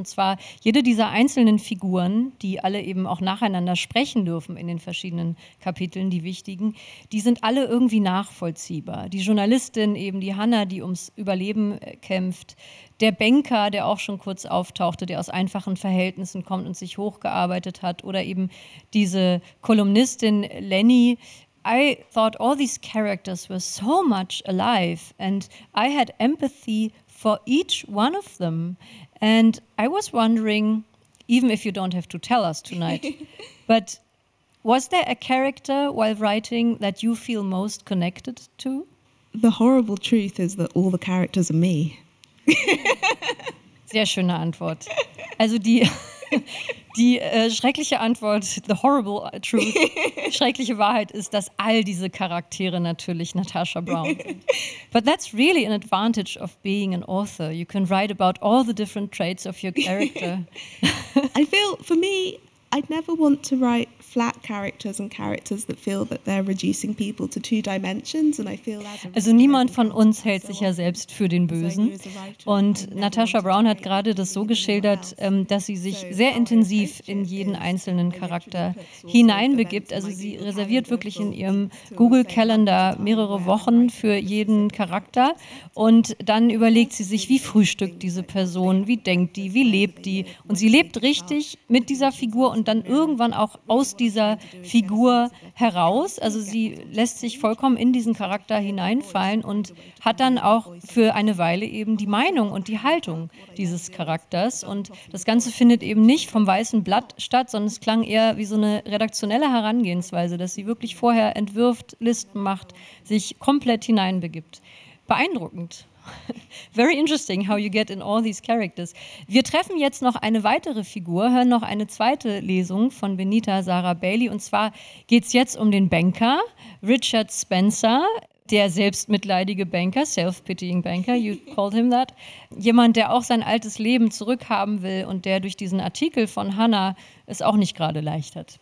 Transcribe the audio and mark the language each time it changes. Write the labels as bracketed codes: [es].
[de] Und zwar jede dieser einzelnen Figuren, die alle eben auch nacheinander sprechen dürfen in den verschiedenen Kapiteln, die wichtigen, die sind alle irgendwie nachvollziehbar. Die Journalistin, eben die Hannah, die ums Überleben kämpft. Der Banker, der auch schon kurz auftauchte, der aus einfachen Verhältnissen kommt und sich hochgearbeitet hat. Oder eben diese Kolumnistin Lenny. [en] I thought all these characters were so much alive and I had empathy for each one of them. And I was wondering, even if you don't have to tell us tonight, but was there a character while writing that you feel most connected to? The horrible truth is that all the characters are me. [de] Sehr schöne Antwort. Also die... Die schreckliche Antwort, [en] the horrible truth, [de] schreckliche Wahrheit ist, dass all diese Charaktere natürlich Natasha Brown sind. [en] But that's really an advantage of being an author. You can write about all the different traits of your character. I feel, for me, I'd never want to write flat characters and characters that feel that they're reducing people to two dimensions, and I feel as a writer, [de] also niemand von uns hält sich ja selbst für den Bösen. Und Natasha Brown hat gerade das so geschildert, dass sie sich sehr intensiv in jeden einzelnen Charakter hineinbegibt. Also sie reserviert wirklich in ihrem Google-Kalender mehrere Wochen für jeden Charakter und dann überlegt sie sich, wie frühstückt diese Person, wie denkt die, wie lebt die, und sie lebt richtig mit dieser Figur und dann irgendwann auch aus dieser Figur heraus. Also sie lässt sich vollkommen in diesen Charakter hineinfallen und hat dann auch für eine Weile eben die Meinung und die Haltung dieses Charakters. Und das Ganze findet eben nicht vom weißen Blatt statt, sondern es klang eher wie so eine redaktionelle Herangehensweise, dass sie wirklich vorher entwirft, Listen macht, sich komplett hineinbegibt. Beeindruckend. [en] Very interesting how you get in all these characters. [de] Wir treffen jetzt noch eine weitere Figur, hören noch eine zweite Lesung von Benita Sarah Bailey. Und zwar geht's jetzt um den Banker Richard Spencer, der selbstmitleidige Banker, [en] self-pitying Banker, you called him that. [de] Jemand, der auch sein altes Leben zurückhaben will und der durch diesen Artikel von Hannah es auch nicht gerade leicht hat.